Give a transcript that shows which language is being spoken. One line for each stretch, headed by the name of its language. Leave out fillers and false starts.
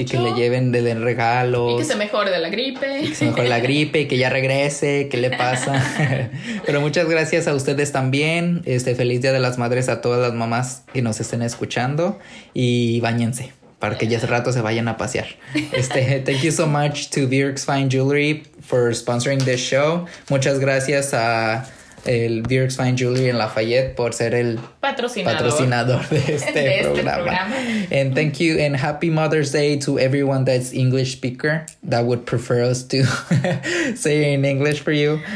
Spanish: Y que le lleven, le den regalos. Y que se mejore de la gripe. Y que se mejore la gripe y que ya regrese. ¿Qué le pasa? Pero muchas gracias a ustedes también. Feliz Día de las Madres a todas las mamás que nos estén escuchando. Y báñense para que ya hace rato se vayan a pasear.
English: Thank you so much to Vierks Fine Jewelry for sponsoring this show.
Spanish: Muchas gracias a el Vierks Fine Jewelry en Lafayette por ser el patrocinador de este programa.
English: And thank you and happy Mother's Day to everyone that's English speaker that would prefer us to say in English for you.